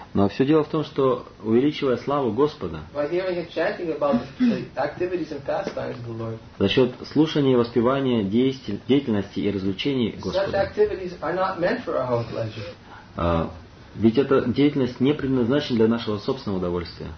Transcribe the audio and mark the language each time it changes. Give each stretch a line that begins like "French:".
Russian: Но все дело в том, что увеличивая славу Господа.
English: By hearing and chanting about the activities and pastimes of the Lord.
Russian: За счет слушания и воспевания деятельности и развлечений Господа.
English: Such activities are not meant for our own pleasure.
Russian: Ведь эта деятельность не предназначена для нашего собственного удовольствия.